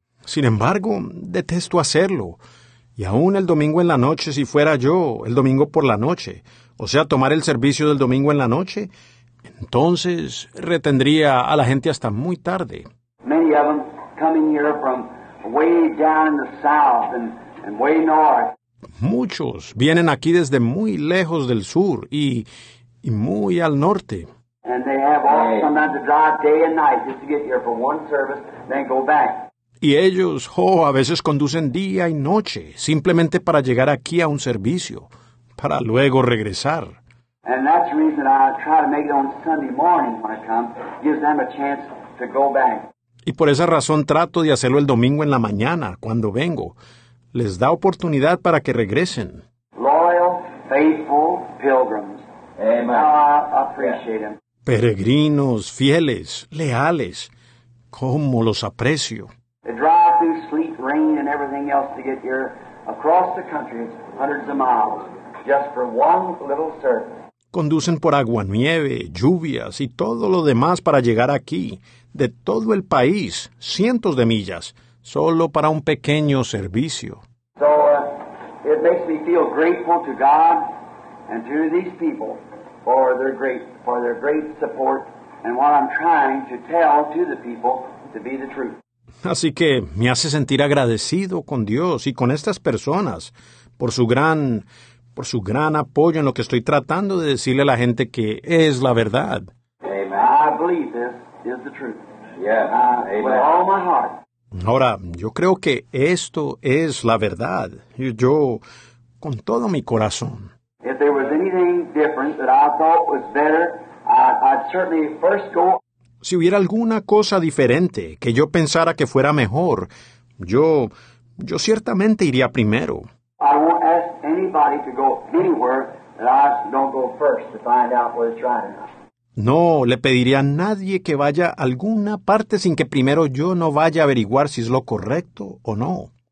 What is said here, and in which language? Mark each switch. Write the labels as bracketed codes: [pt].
[es] Sin embargo, detesto hacerlo. Y aún el domingo en la noche, si fuera yo, el domingo por la noche, o sea, tomar el servicio del domingo en la noche, entonces retendría a la gente hasta muy tarde. [en] Many of them coming here from way down in the south and way north. [es] Muchos vienen aquí desde muy lejos del sur y muy al norte. [en] And they have all sometimes to drive day and night just to get here for one service, then go back. [es] Y ellos, oh, a veces conducen día y noche, simplemente para llegar aquí a un servicio, para luego regresar. [en] And that's the reason I try to make it on Sunday morning when I come, gives them a chance to go back. [es] Y por esa razón trato de hacerlo el domingo en la mañana, cuando vengo. Les da oportunidad para que regresen. [en] Loyal, faithful pilgrims. Amen. Oh, I appreciate them. [es] Peregrinos, fieles, leales. Cómo los aprecio. [en] They drive through sleet, rain, and everything else to get here across the country, hundreds of miles, just for one little service. [es] Conducen por agua, nieve, lluvias y todo lo demás para llegar aquí, de todo el país, cientos de millas, solo para un pequeño servicio. [en] So, it makes me feel grateful to God and to these people for their great support and what I'm trying to tell to the people to be the truth. [es] Así que me hace sentir agradecido con Dios y con estas personas por su gran apoyo en lo que estoy tratando de decirle a la gente que es la verdad. [en] Amen. I believe this is the truth. Yeah. Amen. With all my heart. [es] Ahora, yo creo que esto es la verdad. Yo, con todo mi corazón. [en] If there was anything different that I thought was better, I'd certainly first go. [es] Si hubiera alguna cosa diferente que yo pensara que fuera mejor, yo ciertamente iría primero. [en] I won't ask anybody to go anywhere that I don't go first to find out what is right or not. [es] No le pediría a nadie que vaya a alguna parte sin que primero yo no vaya a averiguar si es lo correcto o no.